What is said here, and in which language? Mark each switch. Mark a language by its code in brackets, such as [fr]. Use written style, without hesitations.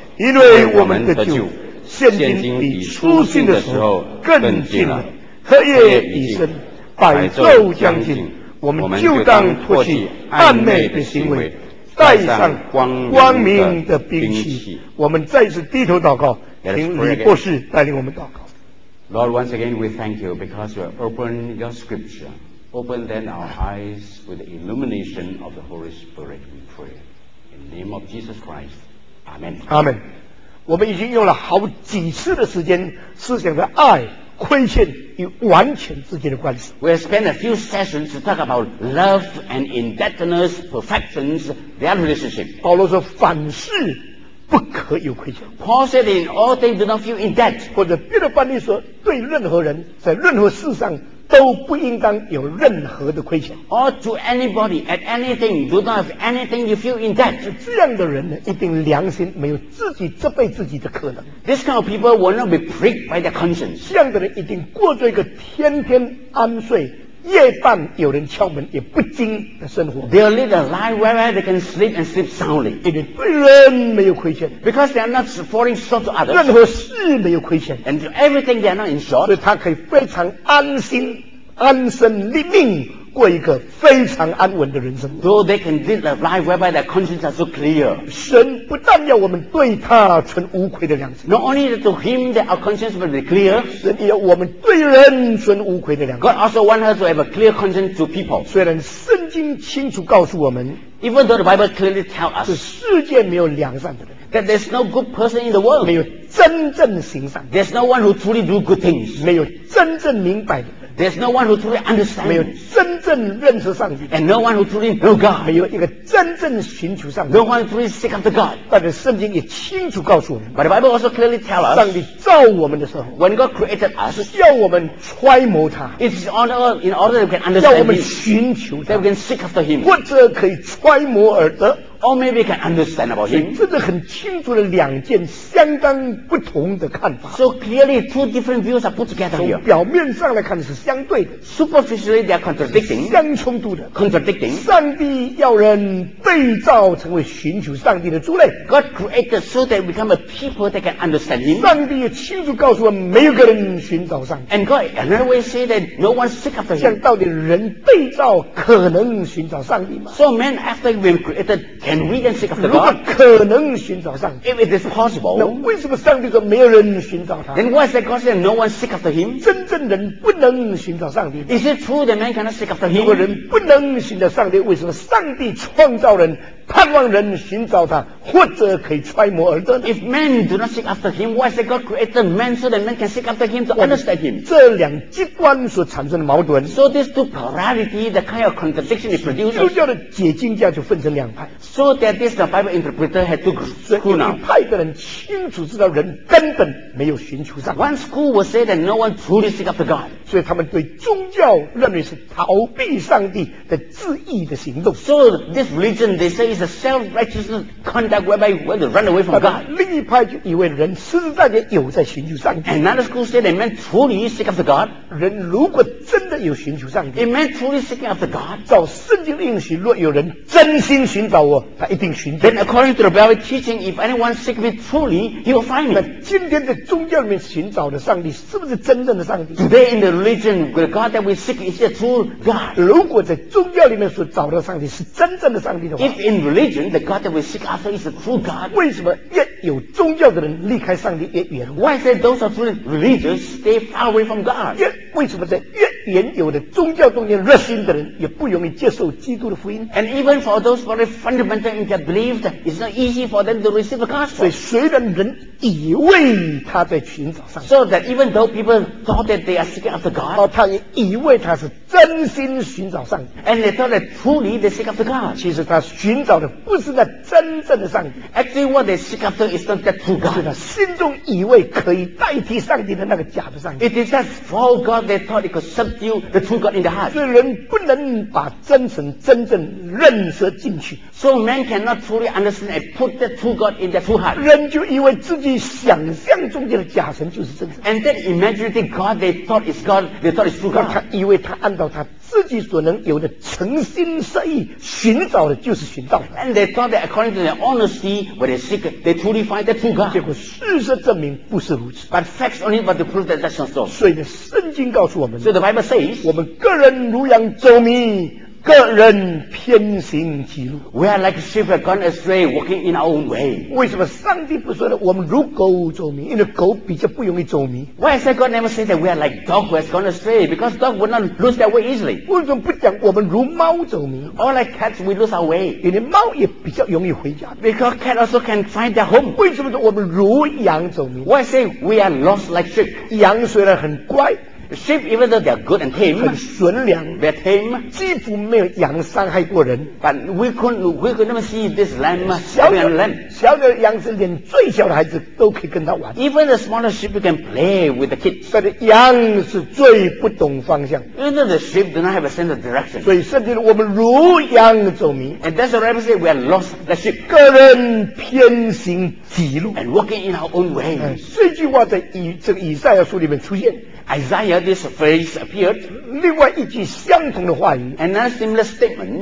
[zh] 因为我们的救现今比初信的时候更近了。黑夜已深，百昼将近，我们就当脱去暗昧的行为，带上光明的兵器。我们再次低头祷告，请李博士带领我们祷告。 [en] Lord, once again we thank you because you open your scripture. Open then our eyes with the illumination of the Holy Spirit, we pray. In the name of Jesus Christ, Amen. Amen. [zh] 我们已经用了好几次的时间思想着爱、亏欠与完全之间的关系。 [en] We have spent a few sessions to talk about love and indebtedness, perfections, their relationship. [zh] 保罗说凡事不可有亏欠。 [en] Paul said in all things do not feel in debt. [zh] 或者别的翻译说对任何人在任何事上都不应当有任何的亏欠。 [en] Or to anybody at anything, do not have anything you feel in debt. [zh] 这样的人呢，一定良心没有自己责备自己的可能。 [en] This kind of people will not be pricked by their conscience. [zh] 这样的人一定过着一个天天安睡，夜半有人敲门也不惊的生活。 [en] They'll live a life where they can sleep and sleep soundly. [zh] 因为对人没有亏欠。 [en] Because they are not falling short to others. [zh] 任何事没有亏欠。 [en] And to everything they are not in short. [zh] 所以他可以非常安心、安身立命，过一个非常安稳的人生。 [en] Though they can live a life whereby their conscience are so clear. [zh] 神不但要我们对他存无愧的良心。 [en] Not only to him that our conscience will be clear. [zh] 神也要我们对人存无愧的良心。 [en] God also wants us to have a clear conscience to people. [zh] 虽然圣经清楚告诉我们。 [en] Even though the Bible clearly tells us. [zh] 是世界没有良善的人。 [en] That there's no good person in the world. [zh] 没有真正行善。 [en] There's no one who truly do good things. [zh] 没有真正明白的。 [en] There's no one who truly understands. [zh] 没有真正认识上帝。 [en] And no one who truly know God. [zh] 没有一个真正寻求上帝。 [en] No one who truly seek after God. [zh] 但是圣经也清楚告诉我们。 [en] But the Bible also clearly tells us. [zh] 上帝造我们的时候。 [en] When God created us. [zh] 是要我们揣摩他。 [en] It's in order that we can understand him. [zh] 要我们寻求他。 [en] That we can seek after him. [zh] 或者可以揣摩而得。 [en] Or maybe you can understand about him. [zh] 这是很清楚的两件相当不同的看法。 [en] So clearly, two different views are put together here. [zh] 从表面上来看是相对的。 [en] Superficially, they are contradicting. [zh] 相冲突的。 [en] Contradicting. [zh] 上帝要人被造成为寻求上帝的族类。 [en] God created so that we become a people that can understand him. [zh] 上帝也清楚告诉我们，没有个人寻找上帝。 [en] And God another way say that no one seek after him. [zh] 像到底人被造可能寻找上帝吗 [en] ？So man, after we have created, can we then seek after God? [zh] 如果可能寻找上帝 [en] ，if it is possible, [zh] 那为什么上帝说没有人寻找他 [en] ？Then why is that God saying no one seek after him? [zh] 真正人不能寻找上帝。 [en] Is it true that man cannot seek after him? [zh] 如果人不能寻找上帝，为什么上帝创造人？盼望人寻找他，或者可以揣摩而得。 [en] If men do not seek after him, why did God create man so that man can seek after him to understand him? [zh] 这两极端所产生的矛盾。 [en] So these two polarity, the kind of contradiction it produces. [zh] 基督教的解经家就分成两派。 [en] So that this the Bible interpreter had two schools. [zh] 所以一派的人清楚知道人根本没有寻求上帝。 [en] One school will say that no one truly seek after God. [zh] 所以他们对宗教认为是逃避上帝的自义的行动。 [en] So this religion they say is a self-righteous conduct whereby we want to run away from God. [zh] 另义派就以为人实实在在有在寻求上帝。 [en] Another school said it meant truly seek after God. [zh] 人如果真的有寻求上帝 [en] ，it meant truly seeking after God. [zh] 照圣经的应许，若有人真心寻找我，他一定寻找。 [en] Then according to the Bible teaching, if anyone seek me truly, he will find me. [zh] 那今天在宗教里面寻找的上帝，是不是真正的上帝 [en] ？Today in the religion, the God that we seek is a true God. [zh] 如果在宗教里面所找到上帝是真正的上帝的话 [en] ，if in religion the God that we seek after is a true God, [zh] 为什么越有宗教的人离开上帝越远 [en] ？Why say those are truly religious stay far away from God? [zh] 为什么在越原有的宗教中间热心的人也不容易接受基督的福音 [en] ？And even for those very fundamental in their belief, it's not easy for them to receive the gospel. [zh] 所以虽然人以为他在寻找上帝 [en] ，so that even though people thought that they are seeking after God, [zh] 他也以为他是真心寻找上帝 [en] ，and they thought that truly they seek after God. [zh] 其实他寻找的不是那真正的上帝 [en] ，actually what they seek after is not that true God. [zh] 是他心中以为可以代替上帝的那个假的上帝。 [en] It is that false God they thought it could subdue the true God in the heart. [zh] 所以人不能把真神真正认识进去 [en] ，so man cannot truly understand and put the true God in their true heart. [zh] 人就以为自己想象中间的假神就是真神 [en] ，and that imaginary God they thought is God, they thought is true God. [zh] 他以为他按照他自己所能有的诚心设意寻找的就是寻到的 [en] ，and they thought that according to their honesty, when they seek, they truly find the true God. [zh] 结果事实证明不是如此 [en] ，but facts only but to prove that that's not so. [zh] 所以呢，圣经告诉我们 [en] ，so the Bible says, [zh] 我们个人如羊走迷。个人偏行己路 [en] We are like sheep that gone astray walking in our own way [zh] 为什么上帝不说呢我们如狗走迷因为狗比较不容易走迷 [en] Why has God never said that we are like dog who has gone astray because dog would not lose their way easily [zh] 为什么不讲我们如猫走迷 [en] Or like cats we lose our way [zh] 因为猫也比较容易回家 [en] Because cat also can find their home [zh] 为什么我们如羊走迷 [en] Why say we are lost like sheep [zh] 羊虽然很乖 [en] Sheep, even though they are good and tame, [zh] 很纯良 [en] they're tame, [zh] 几乎没有羊伤害过人 [en] But we could never see this lamb having a lamb. [zh] 小的羊是连最小的孩子都可以跟他玩 [en] Even the smaller sheep can play with the kids. But [zh] 羊是最不懂方向 [en] Even though the sheep do not have a sense of direction. [zh] 所以圣经我们如羊走迷 [en] And that's what I say, we are lost the sheep. [zh] 个人偏行己路 [en] And walking in our own way. [zh] 这句话在这个以赛亚书里面出现 [en] Isaiah, this phrase appeared. [zh] 另外一句相同的话语 [en] another similar statement,